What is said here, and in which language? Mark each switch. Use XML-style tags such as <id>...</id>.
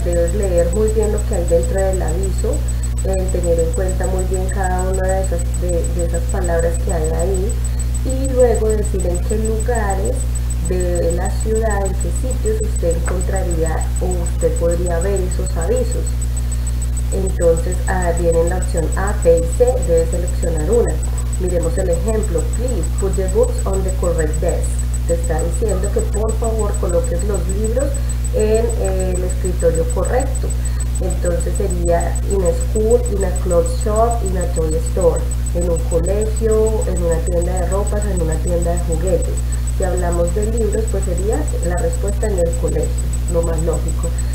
<es>Debes leer muy bien lo que hay dentro del aviso, tener en cuenta muy bien cada una de esas palabras que hay ahí, y luego decir en qué lugares de la ciudad, en qué sitios usted encontraría o usted podría ver esos avisos. Entonces, viene la opción A, B y C, debe seleccionar una. Miremos el ejemplo.</es> <en>Please put the books on the correct desk.</en> <es>Te está diciendo que por favor coloques los libros en el escritorio correcto. Entonces sería</es> <en>in a school, in a clothes shop, in a toy store,</en> <es>en un colegio, en una tienda de ropas, en una tienda de juguetes. Si hablamos de libros, pues sería la respuesta en el colegio, lo más lógico.</es>